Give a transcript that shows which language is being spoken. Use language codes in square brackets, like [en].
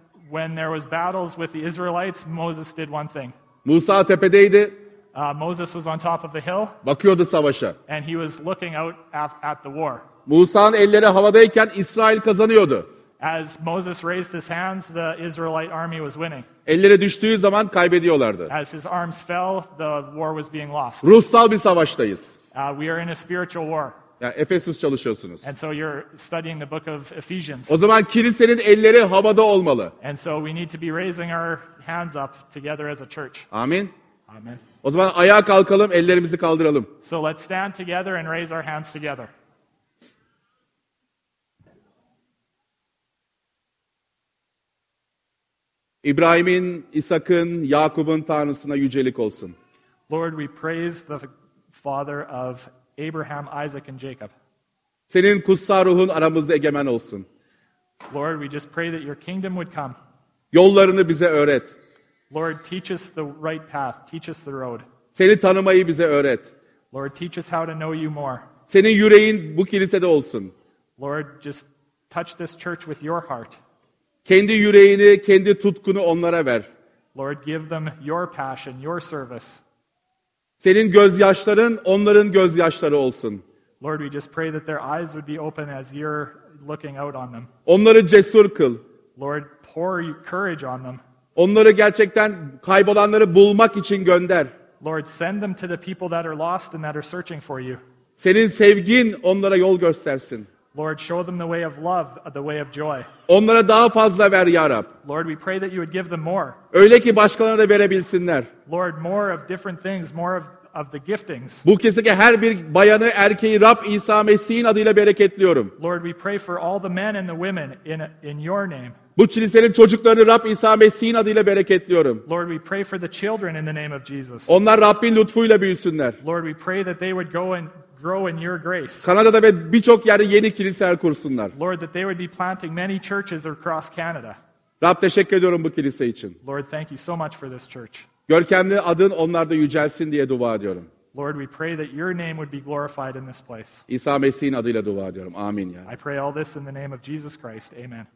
[en] When there was battles with the Israelites, Moses did one thing. [tr] Musa tepedeydi. [en] Moses was on top of the hill. [tr] Bakıyordu savaşa. [en] And he was looking out at the war. [tr] Musa'nın elleri havadayken İsrail kazanıyordu. [en] As Moses raised his hands, the Israelite army was winning. [tr] Elleri düştüğü zaman kaybediyorlardı. [en] As his arms fell, the war was being lost. [tr] Ruhsal bir savaştayız. [en] We are in a spiritual war. [tr] Ya Efesus çalışıyorsunuz. [en] And so you're studying the book of Ephesians. [tr] O zaman kilisenin elleri havada olmalı. [en] And so we need to be raising our hands up together as a church. [tr] Amin. [en] Amen. [tr] O zaman ayağa kalkalım, ellerimizi kaldıralım. [en] So let's stand together and raise our hands together. [tr] İbrahim'in, İshak'ın, Yakub'un Tanrısına yücelik olsun. [en] Lord, we praise the Father of Abraham, Isaac and Jacob. [tr] Senin kutsal ruhun aramızda egemen olsun. [en] Lord, we just pray that your kingdom would come. [tr] Yollarını bize öğret. [en] Lord, teach us the right path, teach us the road. [tr] Seni tanımayı bize öğret. [en] Lord, teach us how to know you more. [tr] Senin yüreğin bu kilisede olsun. [en] Lord, just touch this church with your heart. [tr] Kendi yüreğini, kendi tutkunu onlara ver. [en] Lord, give them your passion, your service. [tr] Senin gözyaşların onların gözyaşları olsun. [en] Lord, we just pray that their eyes would be open as you're looking out on them. [tr] Onları cesur kıl. [en] Lord, pour courage on them. [tr] Onları gerçekten kaybolanları bulmak için gönder. [en] Lord, send them to the people that are lost and that are searching for you. [tr] Senin sevgin onlara yol göstersin. [en] Lord, show them the way of love, the way of joy. [tr] Onlara daha fazla ver ya Rab. [en] Lord, we pray that you would give them more. [tr] Öyle ki başkalarına da verebilsinler. [en] Lord, more of different things, more of the giftings. [tr] Bu kesinlikle her bir bayanı, erkeği Rab İsa Mesih'in adıyla bereketliyorum. [en] Lord, we pray for all the men and the women in your name. [tr] Bu kilisenin çocuklarını Rab İsa Mesih'in adıyla bereketliyorum. [en] Lord, we pray for the children in the name of Jesus. [tr] Onlar Rabbin lütfuyla büyüsünler. [en] Lord, we pray that they would go and grow in your grace. [tr] Kanada'da ve birçok yerde yeni kiliseler kursunlar. [en] Lord, that they would be planting many churches across Canada. [tr] Rab, teşekkür ediyorum bu kilise için. [en] Lord, thank you so much for this church. [tr] Görkemli adın onlarda yücelsin diye dua ediyorum. [en] Lord, we pray that your name would be glorified in this place. [tr] İsa Mesih'in adıyla dua ediyorum. Amin ya. [en] I pray all this in the name of Jesus Christ. Amen.